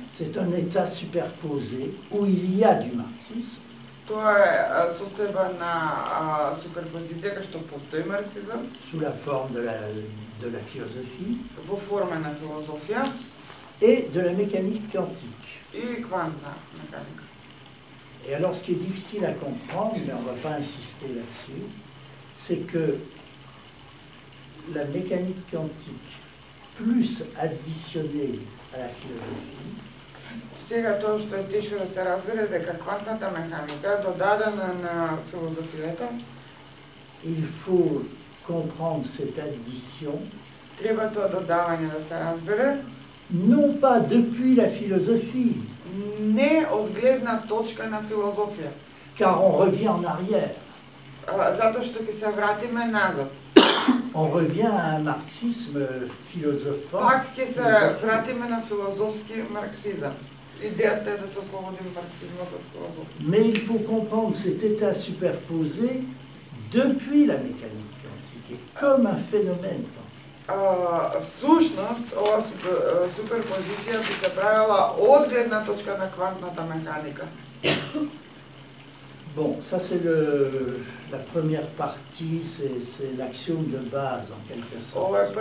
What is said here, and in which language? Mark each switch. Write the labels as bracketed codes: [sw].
[fr] c'est un état superposé où il y a du marxisme. [mk] То состава на суперпозицијата што постои марксизам. [fr] Sous la forme de la philosophie. [mk] Во форма на философија. [fr] Et de la mécanique quantique. [mk] И квантна механика. [fr] Et alors, ce qui est difficile à comprendre, mais on ne va pas insister là-dessus, c'est que la mécanique quantique plus additionnée à la philosophie. [mk] Сега тоа што е тешко да се разбере дека квантната механика додадена на филозофијата. [fr] Il faut comprendre cette addition. [mk] Треба тоа додавање да се разбере. [fr] Non pas depuis la philosophie. [mk] Не од гледна точка на филозофија. [fr] Car on revient en arrière. [mk] Затоа што ќе се вратиме назад. [fr] On revient à un marxisme philosophe. [mk] Пак ќе се вратиме на филозофски марксизам. Идејата е да се слободим марксизмот од филозофија. [fr] Mais il faut comprendre cet état superposé depuis la mécanique quantique et comme un phénomène quantique. [mk] Сушност ова суперпозиција би се правела од гледна точка на квантната механика. [fr] Bon, ça c'est la première partie, c'est l'axiome de base en quelque sorte.